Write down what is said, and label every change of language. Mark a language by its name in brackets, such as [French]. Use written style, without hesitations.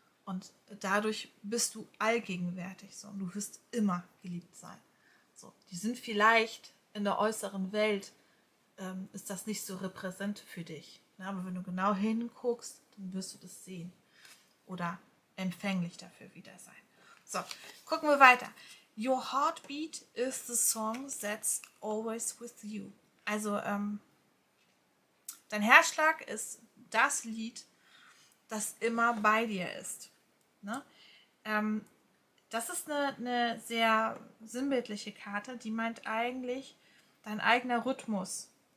[German] Und dadurch bist du allgegenwärtig so, und du wirst immer geliebt sein. So, die sind vielleicht in der äußeren Welt, ist das nicht so repräsent für dich. Ne? Aber wenn du genau hinguckst, dann wirst du das sehen oder empfänglich dafür wieder sein. So, gucken wir weiter. [English] Your heartbeat is the song that's always with you. [German] Also dein Herzschlag ist das Lied, das immer bei dir ist. Ne? Das ist eine sehr sinnbildliche Karte, die meint eigentlich dein eigener Rhythmus.